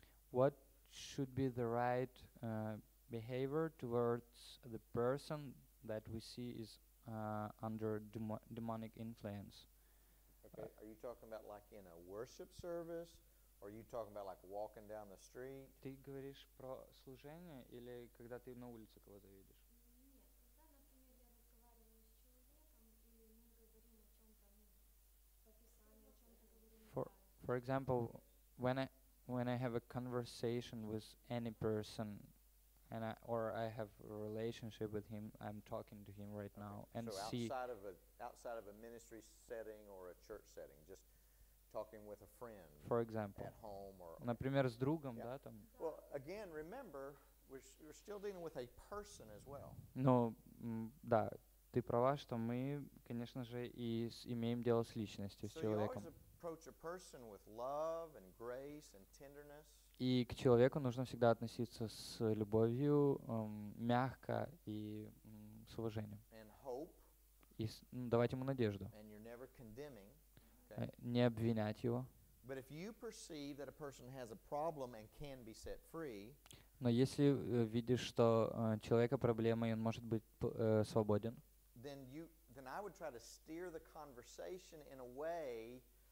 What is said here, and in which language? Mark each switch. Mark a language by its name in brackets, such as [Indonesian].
[English] What should be the right behavior towards the person that we see is under demonic influence? Okay, are you talking about like in a worship service, or are you talking about like walking down the street? [Russian] Ты говоришь про служение или когда ты на улице кого-то видишь? [English] For example, when I have a conversation with any person, and I have a relationship with him, I'm talking to him right now, and see. So outside of a ministry setting or a church setting, just talking with a friend. For example. At home or. [Russian] Например, с другом, да, там. [English] Well, again, remember, we're still dealing with a person as well. [Russian] Но, да. Ты права, что мы, конечно же, и имеем дело с личностью, с человеком. [English] Approach a person with love and grace and tenderness. [Russian] И к человеку нужно всегда относиться с любовью, мягко и с уважением. [English] And hope. [Russian] И давать ему надежду. [English] And you're never condemning. [Russian] Не обвинять его. [English] But if you perceive that a person has a problem and can be set free. [Russian] Но если видишь, что человека проблема и он может быть свободен. [English] Then I would try to steer the conversation in a way.